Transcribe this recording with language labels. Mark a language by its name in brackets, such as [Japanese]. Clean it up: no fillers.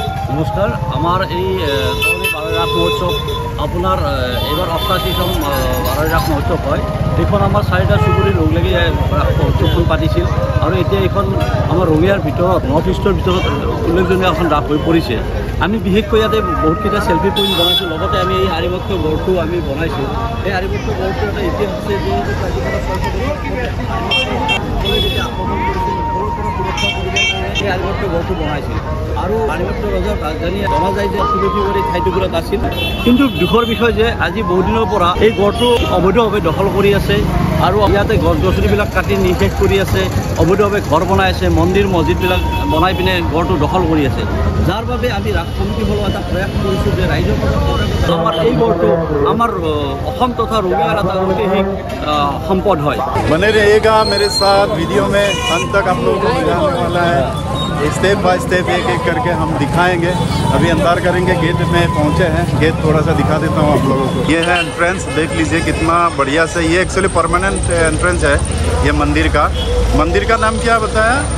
[Assamese] নমস্কাৰ, আমাৰ এই ৰাস মহোৎসৱ আপোনাৰ এইবাৰ 88তম বাৰৈ ৰাস মহোৎসৱ হয়, সেইখন আমাৰ 4টা চুবুৰীৰ লগ লাগি ৰাস মহোৎসৱখন পাতিছিল আৰু এতিয়া এইখন আমাৰ ৰঙিয়াৰ ভিতৰত নৰ্থ ইষ্টৰ ভিতৰত উল্লেখযোগ্য এখন ৰাস হৈ পৰিছে। আমি বিশেষকৈ ইয়াতে বহুতকেইটা চেলফি পইণ্ট বনাইছোঁ, লগতে আমি এই আৰিমত্ব গড়টো আমি বনাইছোঁ। এই আৰিমত্ব গড়টো এটা ইতিহাস আছে যে এই আৰিমত্ব গড়টো বনাইছিল আৰু আৰিমত্ব ৰজাৰ ৰাজধানী জনা যায় যে চিলফি কৰি ঠাইটুকুৰত আছিল। কিন্তু দুখৰ বিষয় যে আজি বহুদিনৰ পৰা এই গড়টো অবৈধভাৱে দখল কৰি আছে আৰু ইয়াতে গছ গছনিবিলাক কাটি নিষেধ কৰি আছে, অবৈধভাৱে ঘৰ বনাই আছে, মন্দিৰ মছজিদবিলাক বনাই পিনে ঘৰটো দখল কৰি আছে, যাৰ বাবে আমি ৰাস কমিটি হ'লেও এটা প্ৰয়াস কৰিছোঁ যে ৰাইজৰ পৰা আমাৰ এই ঘৰটো আমাৰ অসম তথা ৰঙিয়াৰ এটা ঐতিহাসিক সম্পদ হয়। [Hindi] মানে ৰহেগা মেৰে সাথ ভিডিঅ' মে অন্ত তক [Assamese] আপোনালোকক বুজাবলৈ [Hindi] ৱালা হে। स्टेप बाय स्टेप एक एक करके हम दिखाएंगे। अभी अंतर करेंगे, गेट में पहुंचे हैं, गेट थोड़ा सा दिखा देता हूं आप लोगों को। ये है एंट्रेंस, देख लीजिए कितना बढ़िया से, ये एक्चुअली परमानेंट एंट्रेंस है ये मंदिर का। मंदिर का नाम क्या बताया?